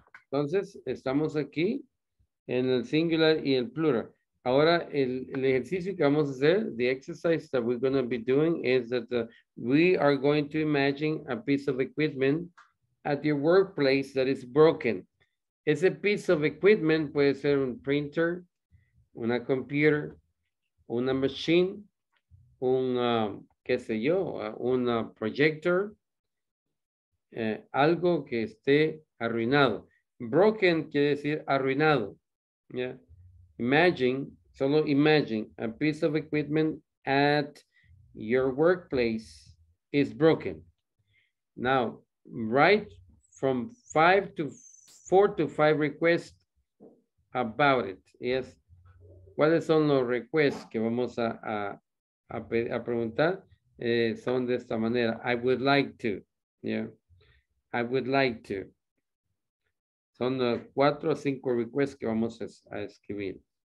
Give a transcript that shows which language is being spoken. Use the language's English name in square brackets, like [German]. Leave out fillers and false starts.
[Spanish] Entonces, estamos aquí en el singular y el plural. Ahora, el ejercicio que vamos a hacer, [English] the exercise that we're going to be doing is that we are going to imagine a piece of equipment at your workplace that is broken. [Spanish] Ese piece of equipment puede ser un printer, una computer, una machine, un projector. Algo que esté arruinado. Broken quiere decir arruinado. Yeah. [English] Imagine a piece of equipment at your workplace is broken. Now, write from four to five requests about it. Yes. [Spanish] ¿Cuáles son los requests que vamos a preguntar? Son de esta manera. [English] I would like to. Yeah. I would like to. [Spanish] Son los 4 o 5 requests que vamos a escribir.